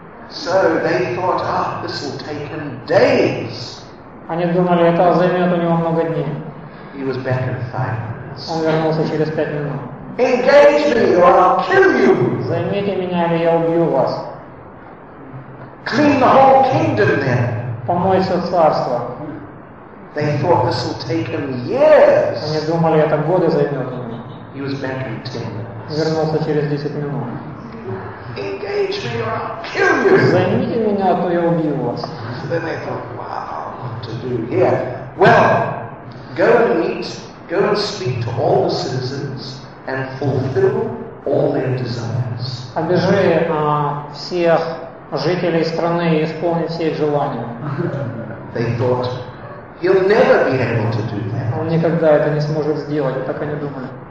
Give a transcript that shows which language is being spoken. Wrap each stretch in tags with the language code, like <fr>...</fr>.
<en>So they thought, ah, this will take him days.</en> <ru>Они думали, это займет у него много дней.</ru> <en>He was back in 5 minutes.</en> <ru>Он вернулся через 5 минут.</ru> <en>Engage me, or I'll kill you.</en> <ru>Займите меня, или я убью вас.</ru> <en>Clean the whole kingdom then.</en> <ru>Помой все царство.</ru> <en>They thought this will take him years.</en> <ru>Они думали, это годы займет.</ru> <en>He was back in 10 minutes.</en> <ru>Вернулся через 10 минут.</ru> <en>Engage me, or I'll kill you.</en> <ru>Займите меня, то я убью вас.</ru> <en>Then they thought, wow, what to do here? Well, go and speak to all the citizens and fulfill all their desires.</en> <ru>Обежи всех жителей страны и исполни все их желания.</ru> <en>They thought, he'll never be able to do that.</en> <ru>Он никогда это не сможет сделать, так они думали.</ru>